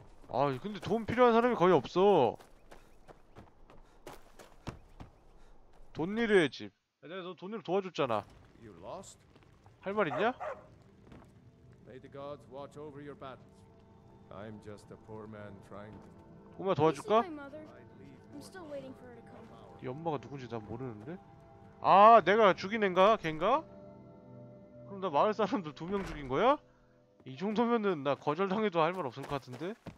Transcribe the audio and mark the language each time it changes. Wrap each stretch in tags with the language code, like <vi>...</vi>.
<ko>아, 근데 돈 필요한 사람이 거의 없어. 돈 일해, 집. 내가 너 돈으로 도와줬잖아. 할 말 있냐?</ko> <en>May the gods watch over your battles. I'm just a poor man trying to.</en> <ko>엄마 도와줄까? 네 엄마가 누군지 난 모르는데. 아, 내가 죽인 애인가? 걘가? 그럼 나 마을 사람들 두 명 죽인 거야? 이 정도면은 나 거절당해도 할 말 없을 것 같은데.</ko>